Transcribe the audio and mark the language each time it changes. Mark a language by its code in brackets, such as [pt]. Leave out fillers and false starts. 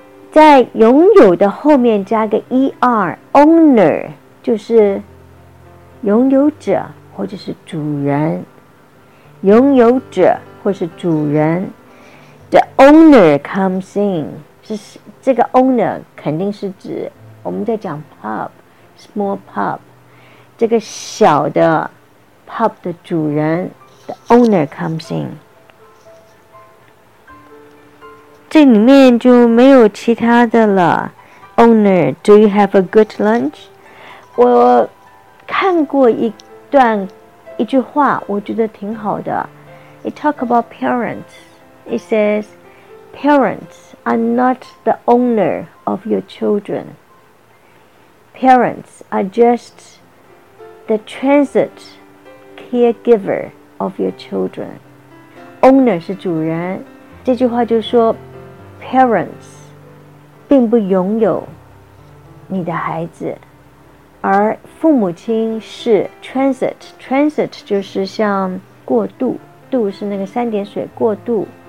[zh] 在拥有的后面加个 E-R, owner, 就是拥有者或者是主人。拥有者或是主人 [en] The owner comes in [zh] 这个 owner 肯定是指我们在讲 pub small pub 这个小的 pub 的主人 The owner comes in 这里面就没有其他的了 [en] Owner, do you have a good lunch? [zh] 我看过一段一句话我觉得挺好的 [en] It talk about parents It says Parents are not the owner of your children Parents are just the transit caregiver of your children [zh] Owner 是主人这句话就是说 Parents 并不拥有你的孩子而父母亲是 transit 就是像过渡渡是那个三点水过渡